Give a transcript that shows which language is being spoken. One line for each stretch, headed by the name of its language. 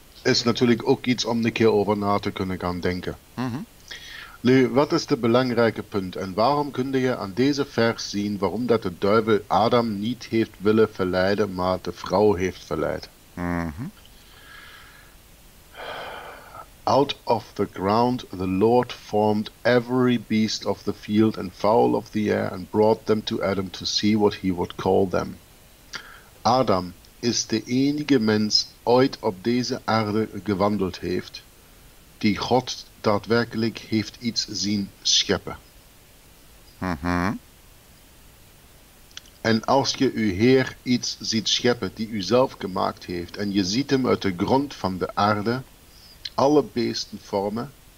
Dutch: Is natuurlijk ook iets om een keer over na te kunnen gaan denken. Mm-hmm. Nu, wat is de belangrijke punt en waarom kun je aan deze vers zien waarom dat de duivel Adam niet heeft willen verleiden, maar de vrouw heeft verleid? Mm-hmm.
English: Out of the ground the Lord formed every beast of the field and fowl of the air and brought them to Adam to see what he would call them.
Dutch: Adam is de enige mens ooit op deze aarde gewandeld heeft, die God daadwerkelijk heeft iets zien scheppen. Mm-hmm. En als je uw Heer iets ziet scheppen, die u zelf gemaakt heeft, en je ziet hem uit de grond van de aarde, alle beesten vormen,